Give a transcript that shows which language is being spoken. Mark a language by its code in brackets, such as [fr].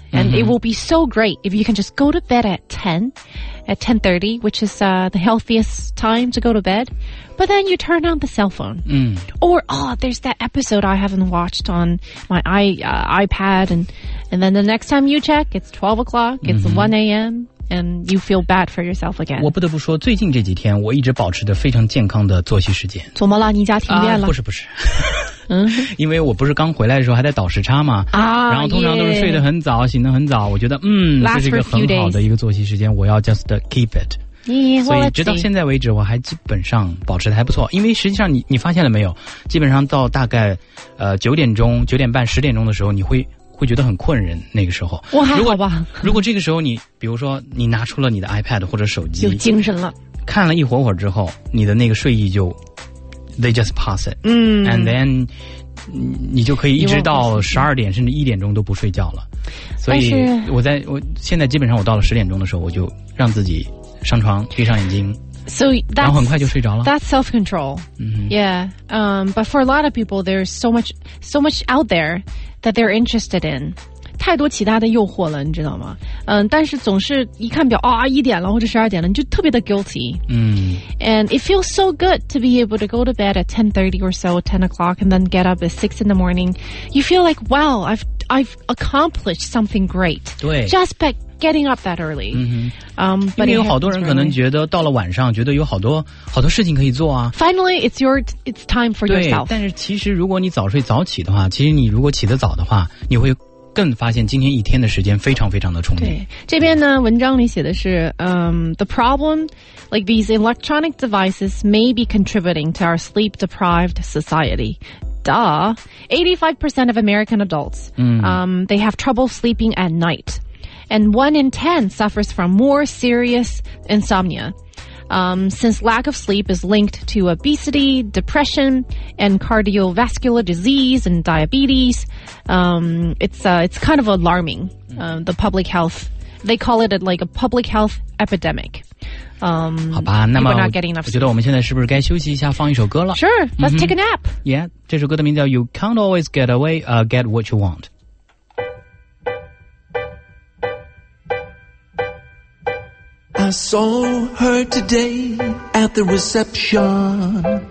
[en] And、mm-hmm. it will be so great if you can just go to bed at 10:30, which is, the healthiest time to go to bed. But then you turn on the cell phone.、 Mm. Or, oh, there's that episode I haven't watched on my iPad and then the next time you check, it's 12 o'clock,、mm-hmm. it's 1 a.m. And you feel bad for yourself again. [zh] 我不得不说，最近这几天我一直保持着非常健康的作息时间。怎么了？你家停电了？不是不是，嗯，因为我不是刚回来的时候还在倒时差嘛。啊，然后通常都是睡得很早， [en] yeah. [zh] 醒得很早。我觉得嗯， [en] Last、 [zh] 这是一个很好的一个作息时间，我要 [en] just keep it. Yeah, well, [zh] 所以直到现在为止，我还基本上保持的还不错。因为实际上你发现了没有？基本上到大概9点钟、9点半、10点钟的时候，你会。会觉得很困人那个时候我还好吧如果这个时候你比如说你拿出了你的 iPad 或者手机有精神了看了一会儿之后你的那个睡意就 [en] they just pass it、嗯、 and then [zh] 你就可以一直到12点甚至1点钟都不睡觉了。所以我现在基本上我到了10点钟的时候，我就让自己上床闭上眼睛。 [en] So that's, [zh] 然后很快就睡着了。 [en] That's self-control. Mm-hmm. Yeah. But for a lot of people, there's so much out there that they're interested in. [zh] 太多其他的诱惑了，你知道吗？但是总是一看表，1点了或者12点了，你就特别的 guilty. [en] And it feels so good to be able to go to bed at 10:30 or so, 10 o'clock, and then get up at 6 in the morning. You feel like, wow, I've accomplished something great. [zh] 对。 [en] Just by getting up that early. [zh] 因为有好多人可能觉得到了晚上觉得有好多好多事情可以做啊。 [en] Finally, it's time for yourself. [zh] 对，但是其实如果你早睡早起的话，其实你如果起得早的话，你会更发现今天一天的时间非常非常的充裕。这边呢，文章里写的是 [en] the problem, like these electronic devices may be contributing to our sleep-deprived society. Duh. 85% of American adults, they have trouble sleeping at night. And 1 in 10 suffers from more serious insomnia. Since lack of sleep is linked to obesity, depression, and cardiovascular disease and diabetes, it's kind of alarming. The public health, they call it like a public health epidemic. [zh] 好吧，那么我觉得我们现在是不是该休息一下，放一首歌了 [en] ？Sure, let's take a nap. [zh] Yeah, 这首歌的名字叫 "You Can't Always Get Away, Get What You Want." [en] I saw her today at the reception.